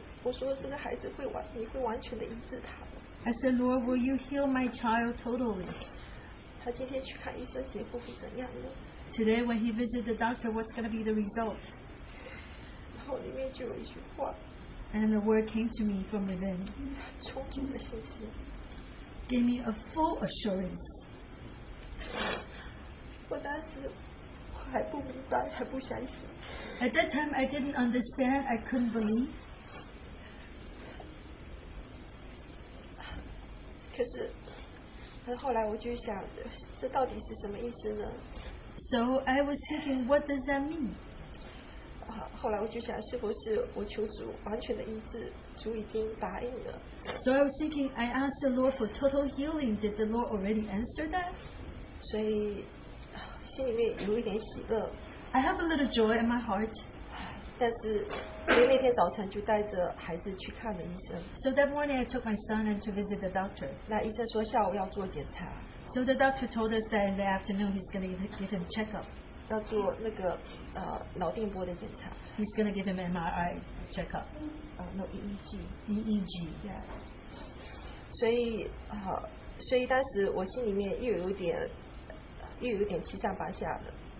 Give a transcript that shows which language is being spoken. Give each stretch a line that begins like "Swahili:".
Chinese: 我说这个孩子会完全的医治他吗?
English: I said, Lord, will you heal my child totally?
Chinese: 他今天去看医生结果会怎样呢?
English: Today when he visits the doctor, what's going to be the result?
Chinese: 然后里面就有一句话,
English: and the word came to me from within.
Chinese: 充足的信息,
English: gave me a full assurance.
Chinese: 我当时还不明白还不相信,
English: at that time I didn't understand, I couldn't believe.
Chinese: 可是后来我就想, 这到底是什么意思呢?
English: So I was thinking, what does that mean?
Chinese: 后来我就想, 是不是我求主完全的医治, 主已经答应了?
English: So I was thinking, I asked the Lord for total healing, did the Lord already answer that?
Chinese: 所以心里面有一点喜乐,
English: I have a little joy in my heart.
Chinese: 但是那天早晨就带着孩子去看了医生,
English: so that morning I took my son and to visit the doctor.
Chinese: 那医生说下午要做检查,
English: so the doctor told us that in the afternoon he's going to give him check-up.
Chinese: 要做那个, 脑电波的检查,
English: he's going to give him MRI check-up. No, EEG. EEG. Yeah.
Chinese: 所以当时我心里面又有点七上八下的,